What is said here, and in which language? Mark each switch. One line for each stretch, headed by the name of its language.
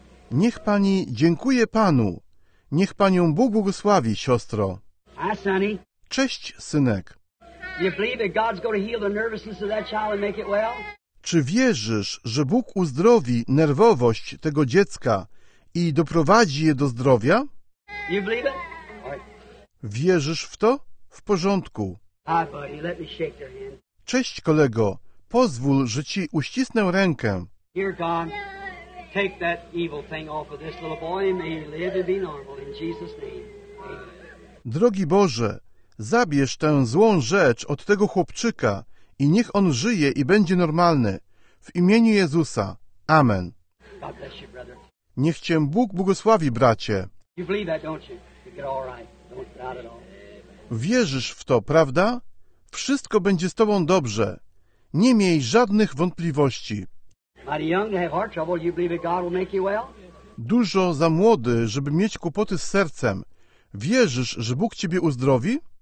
Polish: Niech pani dziękuje panu. Niech panią Bóg błogosławi, siostro.
English: Hi, sonny.
Polish: Cześć, synek.
English: You believe that God's going to heal the nervousness of that child and make it well?
Polish: Czy wierzysz, że Bóg uzdrowi nerwowość tego dziecka i doprowadzi je do zdrowia?
English: You believe it?
Polish: Wierzysz w to? W porządku.
English: Hi, buddy. Let me shake your hand.
Polish: Cześć, kolego. Pozwól, że ci uścisnę rękę.
English: Here, God, take that evil thing off of this little boy and may he live and be normal in Jesus' name. Amen.
Polish: Drogi Boże, zabierz tę złą rzecz od tego chłopczyka i niech on żyje i będzie normalny. W imieniu Jezusa. Amen.
English: God bless you, brother.
Polish: Niech cię Bóg błogosławi, bracie.
English: You believe that, don't you? You get all right. Don't doubt it all.
Polish: Wierzysz w to, prawda? Wszystko będzie z tobą dobrze. Nie miej żadnych wątpliwości.
English: Mighty young to have heart trouble, you believe that God will make you well?
Polish: Dużo za młody, żeby mieć kłopoty z sercem. Wierzysz, że Bóg ciebie uzdrowi?